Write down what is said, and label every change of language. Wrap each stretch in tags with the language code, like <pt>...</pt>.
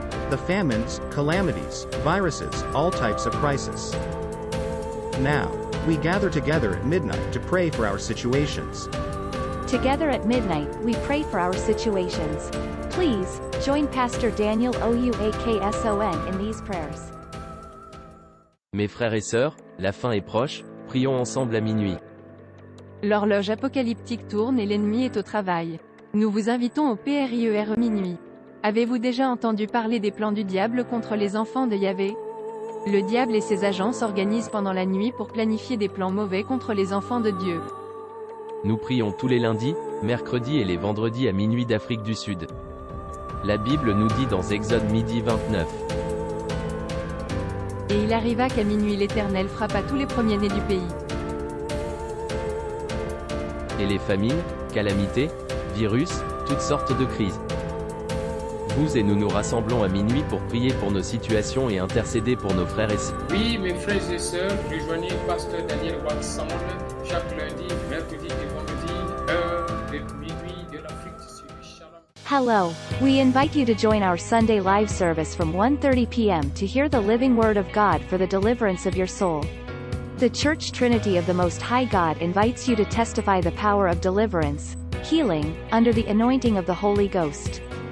<en>The famines, calamities, viruses, all types of crisis. Now, we gather together at midnight to pray for our situations. Together at midnight, we pray for our situations. Please, join Pastor Daniel Oukson in these prayers.</en> <fr>Mes frères et sœurs, la fin est proche, prions ensemble à minuit. L'horloge apocalyptique tourne et l'ennemi est au travail. Nous vous invitons au prier minuit. Avez-vous déjà entendu parler des plans du diable contre les enfants de Yahvé? Le diable et ses agents s'organisent pendant la nuit pour planifier des plans mauvais contre les enfants de Dieu. Nous prions tous les lundis, mercredis et les vendredis à minuit d'Afrique du Sud. La Bible nous dit dans Exode midi 29. Et il arriva qu'à minuit l'Éternel frappa tous les premiers-nés du pays. Et les famines, calamités, virus, toutes sortes de crises. Vous et nous nous rassemblons à minuit pour prier pour nos situations et intercéder pour nos frères et sœurs. Oui, mes frères et sœurs, rejoignez Pasteur Daniel Watson chaque lundi, mercredi et vendredi, heure de minuit de l'Afrique du Sud.</fr> <en>Hello, we invite you to join our Sunday live service from 1:30 p.m. to hear the living word of God for the deliverance of your soul. The Church Trinity of the Most High God invites you to testify the power of deliverance, healing, under the anointing of the Holy Ghost.</en>